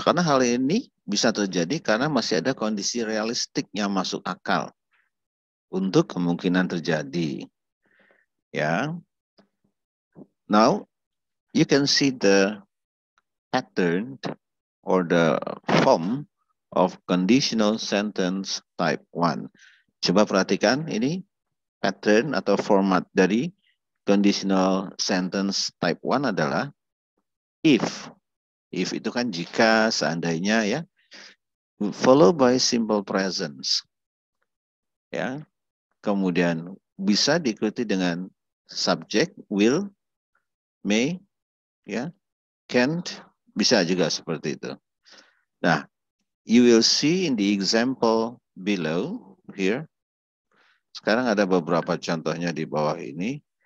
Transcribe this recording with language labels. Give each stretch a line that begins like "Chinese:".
Indonesian: Karena hal ini bisa terjadi karena masih ada kondisi realistik yang masuk akal untuk kemungkinan terjadi. Ya.
English: Now, you can see the pattern or the form of conditional sentence type 1.
Indonesian: Coba perhatikan ini pattern atau format dari conditional sentence type 1 adalah if. If itu kan jika, seandainya, ya.
English: Followed by simple presence.
Indonesian: Ya. Kemudian bisa diikuti dengan subject, will, may, ya, can't, bisa juga seperti itu.
English: Nah, you will see in the example below here.
Indonesian: Sekarang ada beberapa contohnya di bawah ini.